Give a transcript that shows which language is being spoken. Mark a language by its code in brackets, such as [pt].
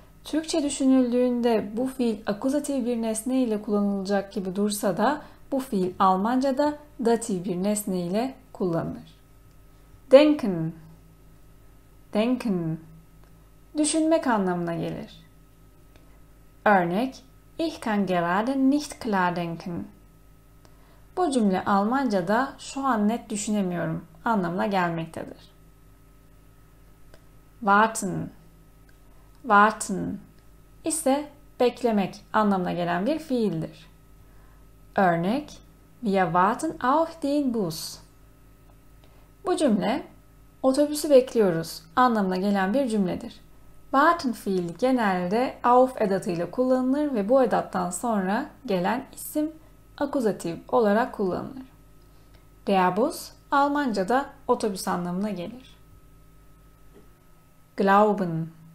[tr] Türkçe düşünüldüğünde bu fiil akuzatif bir nesne ile kullanılacak gibi dursa da bu fiil Almanca'da datif bir nesne ile kullanılır. Denken. Denken. Düşünmek anlamına gelir. [de] Örnek: Ich kann gerade nicht klar denken. [tr] Bu cümle Almanca'da şu an net düşünemiyorum anlamına gelmektedir. Warten. Warten ise beklemek anlamına gelen bir fiildir. [de] Örnek: Wir warten auf den Bus. [tr] Bu cümle otobüsü bekliyoruz anlamına gelen bir cümledir. Warten fiili genelde auf edatıyla kullanılır ve bu edattan sonra gelen isim akuzatif olarak kullanılır. Der Bus Almanca'da otobüs anlamına gelir. Glauben.